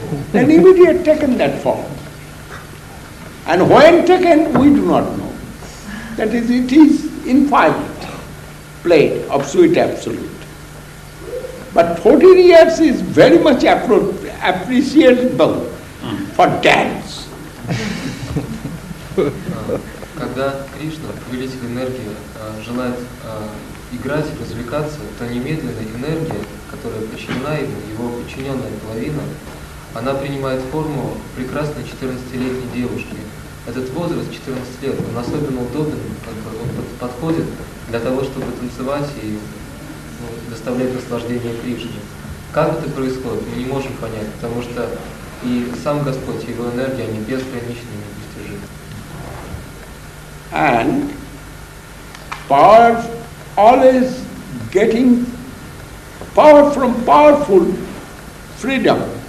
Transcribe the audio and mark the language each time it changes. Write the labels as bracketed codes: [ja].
[en] Then immediate taken that form. And when taken, we do not know. That is, it is infinite play of sweet absolute. But 14 years is very much appreciable for dance. [ru] когда Кришна, повелитель энергии, желает играть и развлекаться, то немедленно энергия, которая подчинена ему, его подчиненная половина, она принимает форму прекрасной 14-летней девушки. Этот возраст, 14 лет, он особенно удобен, он подходит для того, чтобы танцевать и доставлять наслаждение Кришне. Как это происходит, мы не можем понять, потому что и сам Господь, и его энергия, они безграничны и недостижимы. [en] And power always getting power from powerful freedom.